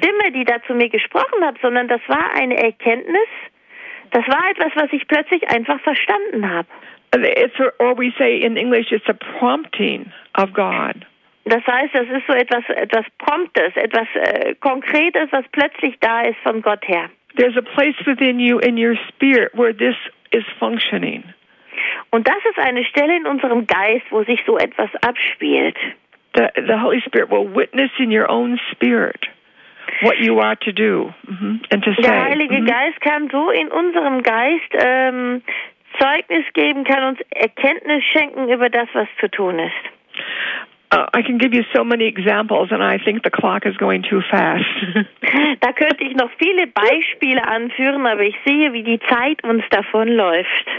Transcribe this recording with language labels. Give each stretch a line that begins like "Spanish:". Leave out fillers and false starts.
German: Keine Stimme, die da zu mir gesprochen hat, sondern das war eine Erkenntnis. Das war etwas, was ich plötzlich einfach verstanden habe.
English: Or we say in English, it's a prompting of God.
German: Das heißt, das ist so etwas Promptes, etwas Konkretes, was plötzlich da ist von Gott her.
English: There's a place within you in your spirit where this is functioning.
German: Und das ist eine Stelle in unserem Geist, wo sich so etwas abspielt.
English: The Holy Spirit will witness in your own spirit what you are to do and to say.
German: Der Heilige Geist kann so in unserem Geist Zeugnis geben, kann uns Erkenntnis schenken über das, was zu tun ist.
English: I can give you so many examples, and I think the clock is going too fast.
German: Da könnte ich noch viele Beispiele anführen, aber ich sehe, wie die Zeit uns davonläuft.